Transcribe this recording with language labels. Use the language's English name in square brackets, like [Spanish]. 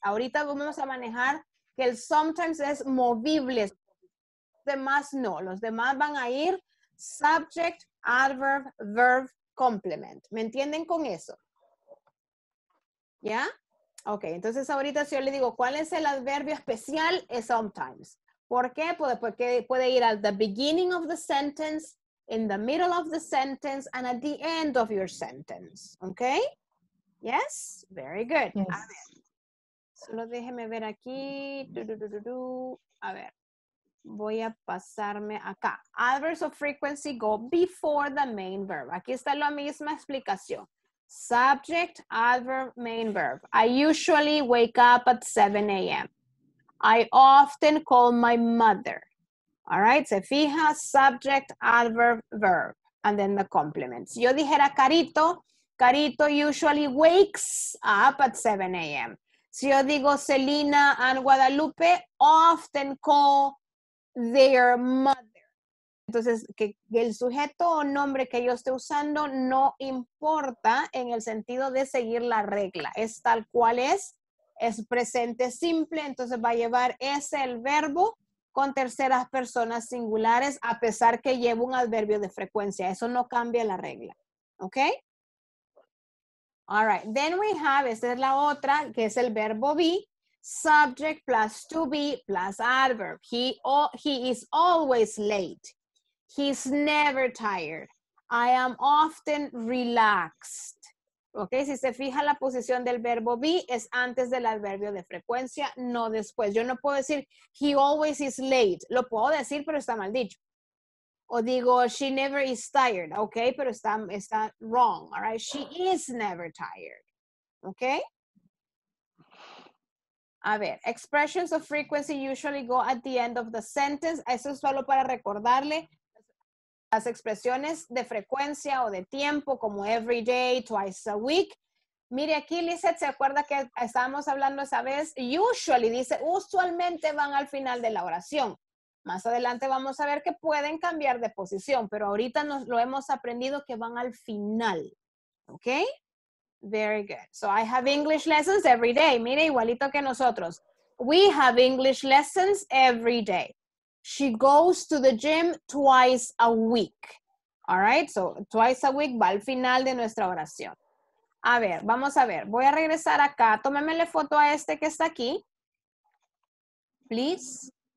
[Spanish] Ahorita vamos a manejar que el sometimes es movible. Los demás no. Los demás van a ir subject, adverb, verb, complement. ¿Me entienden con eso? ¿Ya? Ok, entonces ahorita si yo le digo, ¿cuál es el adverbio especial? Es sometimes. ¿Por qué? Porque puede ir [English] at the beginning of the sentence, in the middle of the sentence, and at the end of your sentence. ¿Ok? Yes? Very good. Yes. [Spanish] A ver. Solo déjeme ver aquí. A ver. Voy a pasarme acá. [English] Adverbs of frequency go before the main verb. [Spanish] Aquí está la misma explicación. Subject, adverb, main verb. [English] I usually wake up at 7 a.m. I often call my mother. All right, [Spanish] se fija, [English] subject, adverb, verb, and then the complement. [Spanish] Si yo dijera [English] Carito, Carito usually wakes up at 7 a.m. [Spanish] Si yo digo [English] Selena and Guadalupe often call their mother. [Spanish] Entonces, que el sujeto o nombre que yo esté usando no importa en el sentido de seguir la regla. Es tal cual es presente simple, entonces va a llevar ese el verbo con terceras personas singulares, a pesar que lleve un adverbio de frecuencia. Eso no cambia la regla. ¿Ok? [English] All right. Then we have, [Spanish] esta es la otra, que es el verbo be. Subject plus to be plus adverb. [English] He is always late. He's never tired. I am often relaxed. ¿Ok? [Spanish] Si se fija la posición del verbo be, es antes del adverbio de frecuencia, no después. Yo no puedo decir, [English] he always is late. [Spanish] Lo puedo decir, pero está mal dicho. O digo, [English] she never is tired. [Spanish] ¿Ok? Pero está wrong. [English] All right? She is never tired. ¿Ok? [Spanish] A ver, [English] expressions of frequency usually go at the end of the sentence. [Spanish] Eso es solo para recordarle. Las expresiones de frecuencia o de tiempo, como [English] every day, twice a week. [Spanish] Mire aquí, Lizeth, ¿se acuerda que estábamos hablando esa vez? Usually, dice, usualmente van al final de la oración. Más adelante vamos a ver que pueden cambiar de posición, pero ahorita nos lo hemos aprendido que van al final. [English] ¿Ok? Very good. So I have English lessons every day. [Spanish] Mire, igualito que nosotros. [English] We have English lessons every day. She goes to the gym twice a week. All right? So twice a week [Spanish] va al final de nuestra oración. A ver, vamos a ver. Voy a regresar acá. Tómeme la foto a este que está aquí. [English] Please.